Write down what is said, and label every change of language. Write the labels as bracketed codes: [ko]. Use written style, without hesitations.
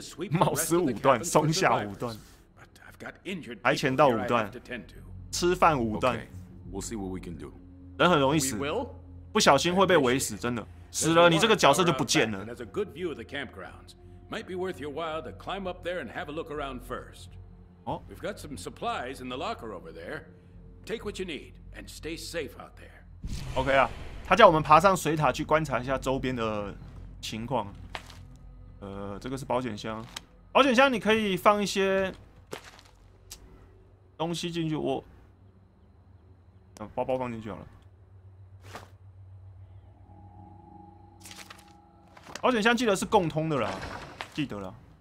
[zh] 冒失五段，松下五段，跆拳道五段，吃饭五段。 [en] We'll see what we can do. [zh] 人很容易死，不小心会被围死，真的死了，你这个角色就不见了。 [en] There's a good view of the campgrounds. Might be worth your while to climb up there and have a look around first. We've got some supplies in the locker over there. Take what you need and stay safe out there. [zh] OK 啊，他叫我们爬上水塔去观察一下周边的情况。这个是保险箱，保险箱你可以放一些东西进去。我。包包放进去好了，保险箱记得是共通的啦，记得啦。